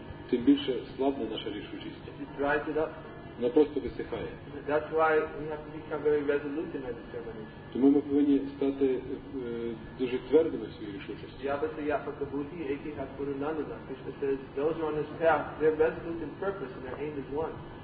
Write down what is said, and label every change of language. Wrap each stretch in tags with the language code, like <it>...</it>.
<uk>тим більше слабне наша рішучість.</uk> <en>It dries it up.</en> <uk>Вона просто висихає.</uk> <en>That's why we have to become very resolute in our determination.</en> <uk>Тому ми повинні стати дуже твердими в своїй рішучості.</uk> <sa>Yabhata yapaka buddhi eki ha purunanana.</sa> <en>Krishna says, those who are on this path, they're resolute in purpose and their aim is one.</en>